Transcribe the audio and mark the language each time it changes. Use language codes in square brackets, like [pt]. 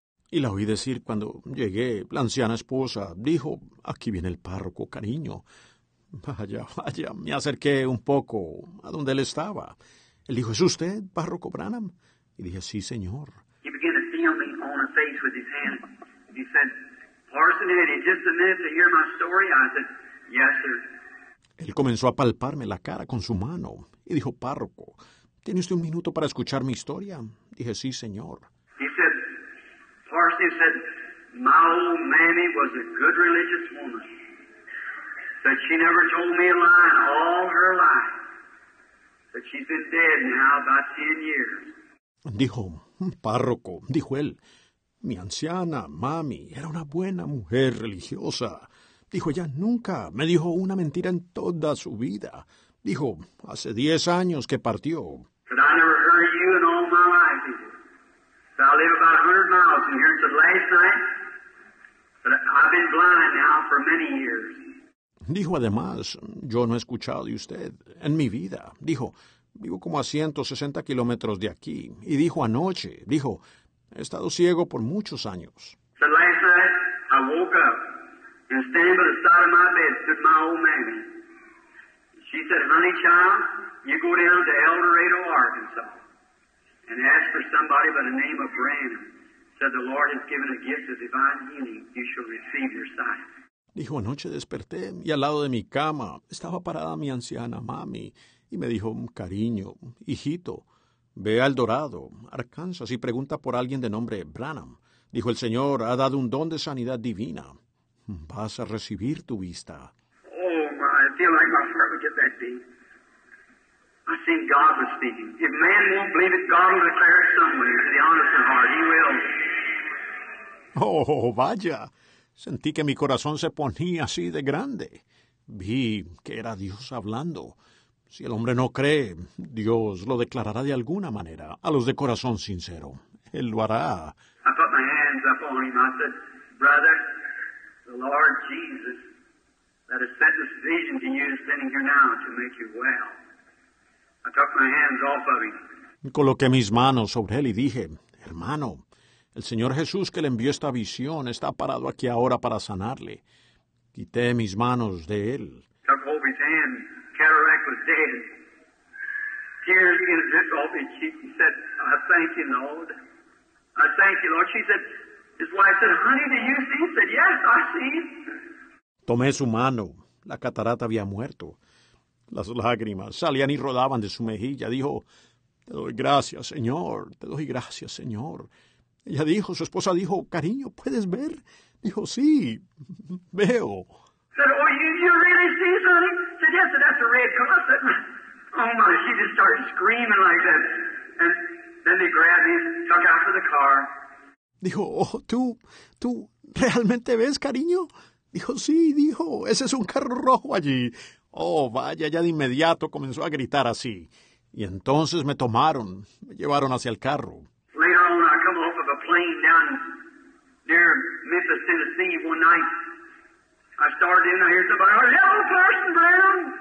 [es] Y la oí decir cuando llegué, la anciana esposa dijo, aquí viene el párroco, cariño. Vaya, vaya, me acerqué un poco a donde él estaba. Él dijo, ¿es usted, párroco Branham? Y dije, sí, señor. [en] He began to feel me on the face with his hand. He said, Parson, in just a minute to hear my story. I said, yes, sir. [es] Él comenzó a palparme la cara con su mano y dijo, párroco, ¿tiene usted un minuto para escuchar mi historia? Dije, sí, señor. [en] He said, Parson, he said, my old mammy was a good religious woman. But she never told me a lie in all her life. But she's been dead now about 10 years. [es] Dijo, párroco, dijo él, mi anciana mami era una buena mujer religiosa. Dijo, ella nunca me dijo una mentira en toda su vida. Dijo, hace 10 años que partió. [en] But I never heard of you in all my life. So I live about 100 miles from here until last night. But I've been blind now for many years. [es] Dijo, además, yo no he escuchado de usted en mi vida. Dijo, vivo como a 160 kilómetros de aquí. Y dijo anoche, dijo, he estado ciego por muchos años. [en] So last night, I woke up and standing by the side of my bed stood my old mammy. She said, honey child, you go down to El Dorado, Arkansas, and ask for somebody by the name of Branham. Said, the Lord has given a gift of divine healing. You shall receive your sight. [es] Dijo, anoche desperté y al lado de mi cama estaba parada mi anciana mami y me dijo, cariño, hijito, ve a El Dorado, Arkansas y pregunta por alguien de nombre Branham. Dijo, el Señor ha dado un don de sanidad divina. Vas a recibir tu vista. [en] Oh, my, I feel like my heart would get that deep. I think God was speaking. If man won't believe it, God will declare it somewhere to the honest and heart. He will. [es] Oh, vaya. Sentí que mi corazón se ponía así de grande. Vi que era Dios hablando. Si el hombre no cree, Dios lo declarará de alguna manera a los de corazón sincero. Él lo hará. [en] I put my hands up on him. I said, brother, the Lord Jesus that has sent this vision to you is sending here now to make you well. I took my hands off of him. [es] Coloqué mis manos sobre él y dije, hermano, el Señor Jesús que le envió esta visión está parado aquí ahora para sanarle. Quité mis manos de él. [en] Took hold of his hand. Cataract was dead. Tears began to drip off his cheek. He said, I thank you, Lord. I thank you, Lord. She said, his wife said, honey, do you see? He said, yes, I see. [es] Tomé su mano. La catarata había muerto. Las lágrimas salían y rodaban de su mejilla. Dijo, te doy gracias, Señor. Te doy gracias, Señor. Ella dijo, su esposa dijo, cariño, ¿puedes ver? Dijo, sí, veo. [en] Said, oh, you really see, honey? Said, yes, that's a red cross. Oh, my, she just started screaming like that. And Then they grabbed me, took out for the car. [es] Dijo, oh, ¿tú realmente ves, cariño? Dijo, sí, dijo, ese es un carro rojo allí. Oh, vaya, ya de inmediato comenzó a gritar así. Y entonces me tomaron, me llevaron hacia el carro. [en] Later on, I come off of a plane down near Memphis, Tennessee, one night. I started in, I hear somebody, hello, Parson Brown.